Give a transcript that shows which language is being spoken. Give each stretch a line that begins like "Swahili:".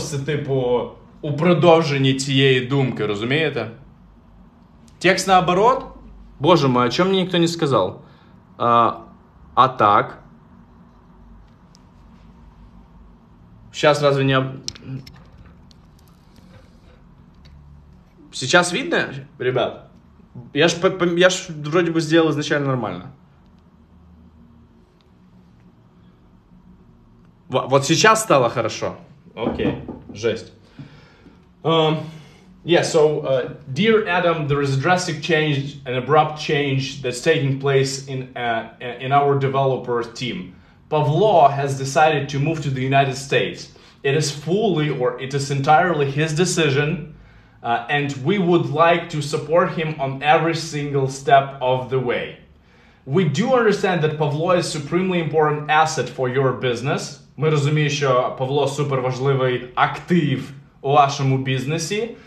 Ukrainian: це типу у продовженні цієї думки, розумієте?
Russian: Текст наоборот. Боже мой, о чем мне никто не сказал? А так? Сейчас разве не... Сейчас видно, ребят? Я ж вроде бы сделал изначально нормально. Вот сейчас стало хорошо. Окей, жесть.
English: Dear Adam, there is a drastic change, an abrupt change that's taking place in our developer team. Pavlo has decided to move to the United States. It is entirely his decision, and we would like to support him on every single step of the way. We do understand that Pavlo is a supremely important asset for your business.
Ukrainian: Ми розуміємо, що Павло суперважливий актив у вашому бізнесі.